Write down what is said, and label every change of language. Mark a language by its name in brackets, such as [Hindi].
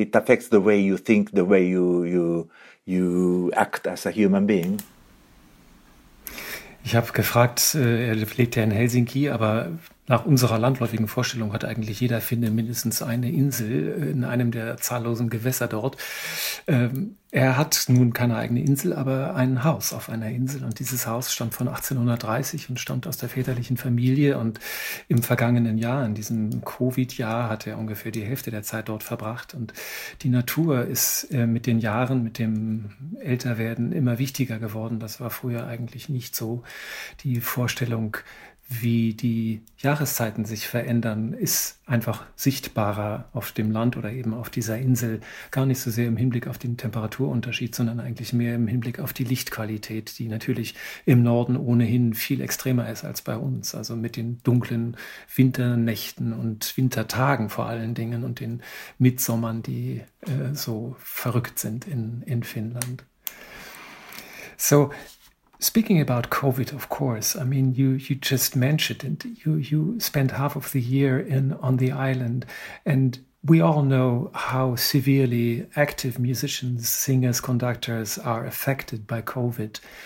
[English] It affects the way you think, the way you act as a human being. [German] Ich habe gefragt, er lebt ja in Helsinki, aber nach unserer landläufigen Vorstellung hat eigentlich jeder Finne mindestens eine Insel in einem der zahllosen Gewässer dort. Er hat nun keine eigene Insel, aber ein Haus auf einer Insel. Und dieses Haus stammt von 1830 und stammt aus der väterlichen Familie. Und im vergangenen Jahr, in diesem Covid-Jahr, hat er ungefähr die Hälfte der Zeit dort verbracht. Und die Natur ist mit den Jahren, mit dem Älterwerden immer wichtiger geworden. Das war früher eigentlich nicht so. Die Vorstellung, wie die Jahreszeiten sich verändern, ist einfach sichtbarer auf dem Land oder eben auf dieser Insel. Gar nicht so sehr im Hinblick auf den Temperaturunterschied, sondern eigentlich mehr im Hinblick auf die Lichtqualität, die natürlich im Norden ohnehin viel extremer ist als bei uns. Also mit den dunklen Winternächten und Wintertagen vor allen Dingen und den Mittsommern, die so verrückt sind in Finnland. [English] So, speaking about COVID, of course, I mean, you just mentioned it. You spent half of the year on the island, and we all know how severely active musicians, singers, conductors are affected by COVID.